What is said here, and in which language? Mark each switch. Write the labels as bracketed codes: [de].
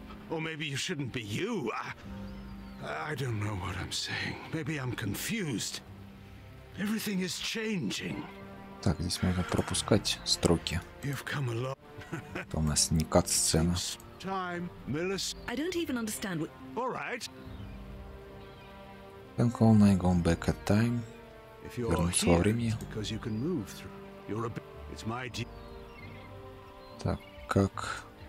[en] Or maybe you shouldn't be you. I don't know what I'm saying. Maybe I'm confused. Everything is changing. [ru] Так, здесь можно пропускать строки. [en] You've come along. [ru] Это у нас не кат-сцена. [en] Time, Millis. I don't even understand what... All right. I'm calling, I'm going back at time. If you're here, it's because you can move through. You're a... It's my... [ru] Так, как...